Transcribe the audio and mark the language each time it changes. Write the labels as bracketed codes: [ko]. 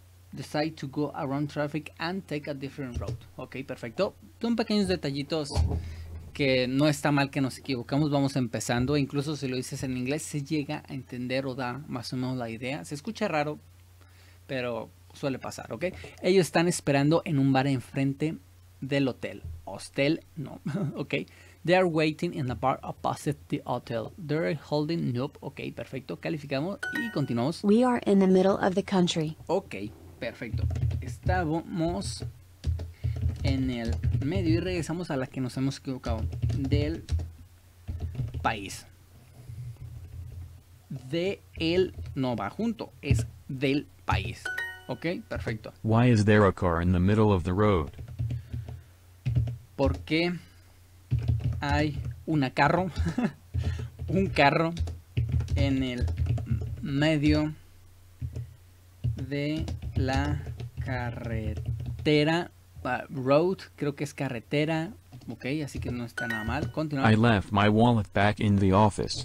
[en] Decide to go around traffic and take a different road. [es] Ok, perfecto. Son pequeños detallitos que no está mal que nos equivocamos. Vamos empezando. Incluso si lo dices en inglés, se llega a entender o da más o menos la idea. Se escucha raro, pero suele pasar, ¿ok? Ellos están esperando en un bar enfrente del hotel. Hostel, no. Ok. [en] They are waiting in the bar opposite the hotel. They're holding, nope. [es] Ok, perfecto. Calificamos y continuamos. [en] We are in the middle of the country. [es] Ok, perfecto. Estábamos en el medio y regresamos a la que nos hemos equivocado. Del país. De él no va junto. Es del país. Ok, perfecto. [en] Why is there a car in the middle of the road? [es] ¿Por qué hay una carro? Un carro en el medio de la carretera. Road, creo que es carretera. Ok, así que no está nada mal. Continuamos. [en] I left my wallet back in the office.